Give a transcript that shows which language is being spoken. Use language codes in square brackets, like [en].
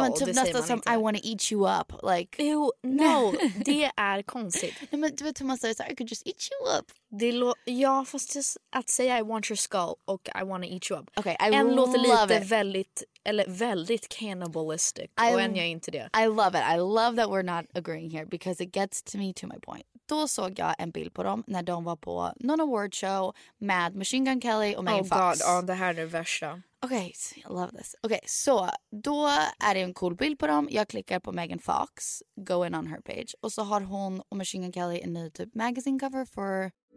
[sv] Men typ nästan som [en] I want to eat you up. Like, ew, no. [sv] Det är konstigt. Nej, men du vet hur man säger såhär, [en] I could just eat you up. [sv] Ja, fast just att säga [en] I want your skull och I want to eat you up. Okay, [sv] en låter lite [en] it. [sv] Väldigt, eller väldigt cannibalistic. Och än jag är inte det. [en] I love it. I love that we're not agreeing here because it gets to me to my point. [sv] Då såg jag en bild på dem när de var på någon award show med Machine Gun Kelly och Megan Fox. [en] Oh god, [sv] det här är det värsta. [en] Okej, I love this. [sv] Okej, så då är det en cool bild på dem. Jag klickar på Megan Fox, [en] go in on her page. [sv] Och så har hon och Machine Gun Kelly en ny typ magazine cover för...